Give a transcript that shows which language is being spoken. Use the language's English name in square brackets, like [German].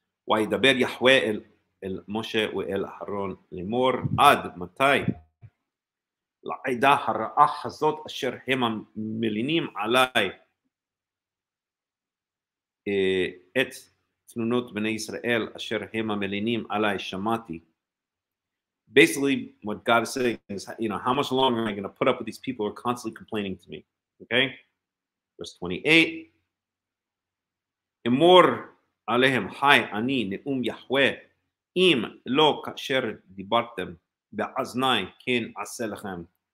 [Hebrew] וידבר יחווה אל משה ואל אהרון לאמור עד מתי לעדה הרעה הזאת אשר הם מלינים עליי את תנונות בני ישראל אשר הם מלינים עליי שמעתי. [English] Basically, what God is saying is, you know, how much longer am I going to put up with these people who are constantly complaining to me? Okay? Verse 28. [Hebrew] אמור עליהם, חי אני, נאום יחווה, אם לא כאשר דיברתם, באזני כן עשה לכם.